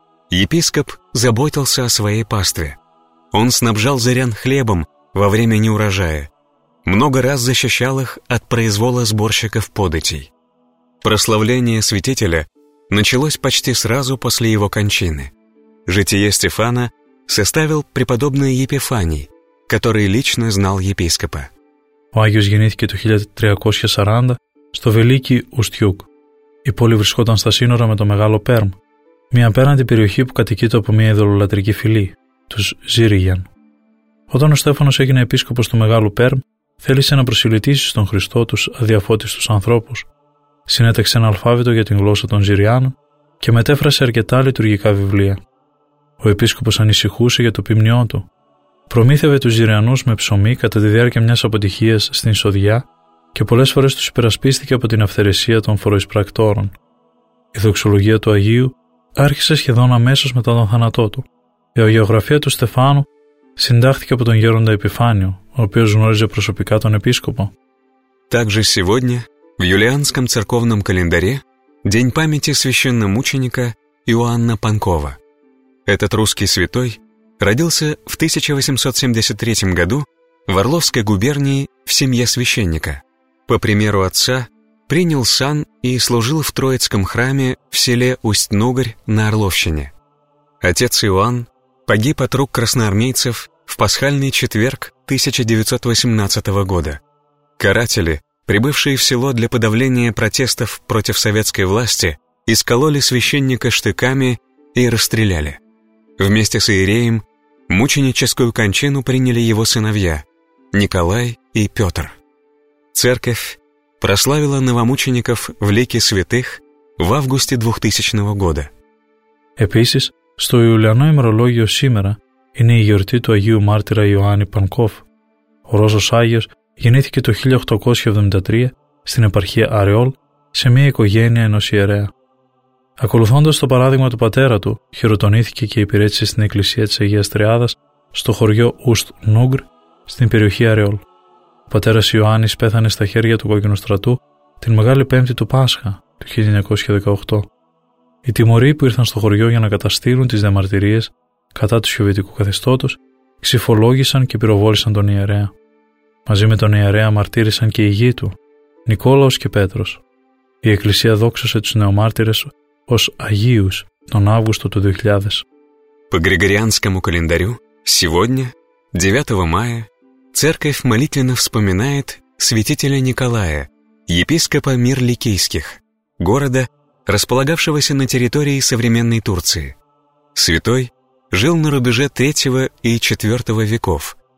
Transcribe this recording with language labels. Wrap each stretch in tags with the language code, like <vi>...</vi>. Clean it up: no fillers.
<ru>Епископ заботился о своей пастве. Он снабжал зырян хлебом во время неурожая, много раз защищал их от произвола сборщиков податей. Прославление святителя началось почти сразу после его кончины. Житие Стефана составил преподобный Епифаний, который лично знал епископа.</ru> <el>Ο Άγιος γεννήθηκε το 1340 στο Великий Устюг. Η πόλη βρισκόταν στα σύνορα με το Μεγάλο Πέρμ, μια απέραντη περιοχή που κατοικείται από μια ειδωλολατρική φυλή, τους Ζήριγιαν. Όταν ο Στέφανος έγινε επίσκοπος του Μεγάλου Πέρμ, θέλησε να προσιλητήσει στον Χριστό τους αδιαφώτιστους ανθρώπους. Συνέταξε ένα αλφάβητο για την γλώσσα των Ζηριάνων και μετέφρασε αρκετά λειτουργικά βιβλία. Ο επίσκοπος ανησυχούσε για το ποιμνιό του. Προμήθευε τους Ζηριανούς με ψωμί κατά τη διάρκεια μιας αποτυχίας στην Σοδιά και πολλές φορές τους υπερασπίστηκε από την αυθαιρεσία των φοροεισπρακτόρων. Η δοξολογία του Αγίου άρχισε σχεδόν αμέσως μετά τον θάνατό του. Η αγιογραφία του Στεφάνου συντάχθηκε από τον Γέροντα Επιφάνιο, ο οποίος γνώριζε προσωπικά τον επίσκοπο.</el> <ru>Также сегодня в юлианском церковном календаре день памяти священномученика Иоанна Панкова. Этот русский святой родился в 1873 году в Орловской губернии в семье священника. По примеру отца принял сан и служил в Троицком храме в селе Усть-Нугарь на Орловщине. Отец Иоанн погиб от рук красноармейцев в пасхальный четверг 1918 года. Каратели, прибывшие в село для подавления протестов против советской власти, искололи священника штыками и расстреляли. Вместе с иереем мученическую кончину приняли его сыновья Николай и Петр. Церковь прославила новомучеников в лике святых в августе 2000 года.</ru> <el>Επίσης, στο Ιουλιανό ημερολόγιο σήμερα είναι η γιορτή του Αγίου Μάρτυρα Ιωάννη Πανκόφ. Ο Ρώσος Άγιος γεννήθηκε το 1873 στην επαρχία Αρεόλ σε μια οικογένεια ενός ιερέα. Ακολουθώντας το παράδειγμα του πατέρα του, χειροτονήθηκε και υπηρέτησε στην εκκλησία της Αγίας Τριάδας στο χωριό Ουστ-Νούγκρ στην περιοχή Αρεόλ. Ο πατέρας Ιωάννης πέθανε στα χέρια του κόκκινου στρατού την Μεγάλη Πέμπτη του Πάσχα του 1918. Οι τιμωροί που ήρθαν στο χωριό για να καταστήλουν τις διαμαρτυρίες κατά του σοβιετικού καθεστώτος ξυφολόγησαν και πυροβόλησαν τον ιερέα. Μαζί με τον ιερέα μαρτύρησαν και οι γη του, Νικόλαος και Πέτρος. Η Εκκλησία δόξασε τους νεομάρτυρες ως Αγίους τον Αύγουστο του 2000.</el> <ru>По Григорианскому календарю, сегодня, 9 мая, Церковь молитвенно вспоминает святителя Николая, епископа Мирликийских, города, располагавшегося на территории современной Турции. Святой жил на рубеже 3 и 4 веков.</ru>